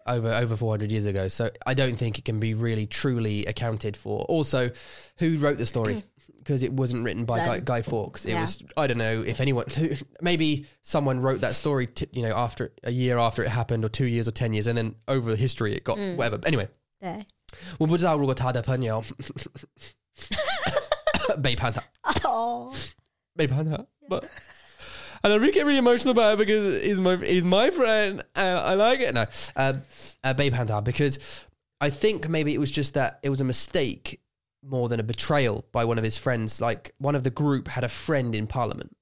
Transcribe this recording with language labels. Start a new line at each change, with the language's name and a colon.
English: over 400 years ago So I don't think it can be really truly accounted for Also who wrote the story Because it wasn't written by Guy Fawkes. It、 yeah. was, I don't know if anyone, maybe someone wrote that story, you know, after a year after it happened or 2 years or 10 years and then over history it got、mm. whatever. Anyway.
Chinese: 对。我不知道如果他的朋友背叛他。
English: Oh.
Chinese: 背叛他。
English: But, and I really get really emotional about it because he's my friend. And I like it. No.
Chinese: 背叛他
English: because I think maybe it was just that it was a mistake. More than a betrayal by one of his friends. Like, one of the group had a friend in Parliament、